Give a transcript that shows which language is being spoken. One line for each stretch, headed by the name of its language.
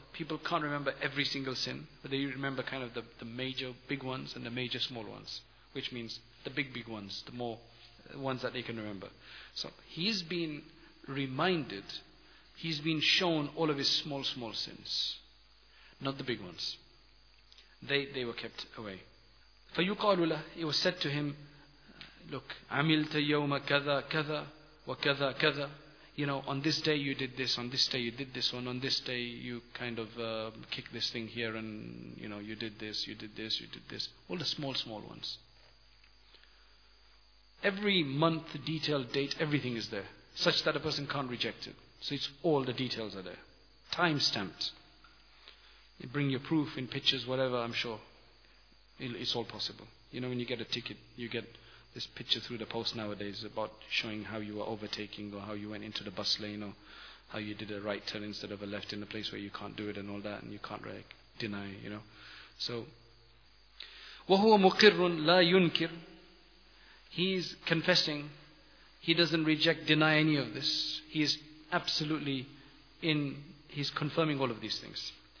English: People can't remember every single sin, but they remember kind of the major big ones and the major small ones, which means the big ones, the more ones that they can remember. So he's been reminded, he's been shown all of his small sins, not the big ones. They were kept away.
Arabic: فَيُقَالُ لَهُ,
English: it was said to him, look,
Arabic: عَمِلْتَ يَوْمَ كَذَا كَذَا وَكَذَا كَذَا.
English: You know, on this day you did this, on this day you did this one, on this day you kind of kicked this thing here, and you know, you did this, you did this, you did this. All the small ones. Every month, detail, date, everything is there, such that a person can't reject it. So it's all the details are there. Time stamped. You bring your proof in pictures, whatever, I'm sure. It's all possible. You know, when you get a ticket, you get this picture through the post nowadays about showing how you were overtaking or how you went into the bus lane or how you did a right turn instead of a left in a place where you can't do it and all that, and you can't really deny, you know. So,
Arabic: وَهُوَ مُقِرٌ لَا يُنْكِرْ.
English: He's confessing. He doesn't reject, deny any of this. He is absolutely in, he's confirming all of these things.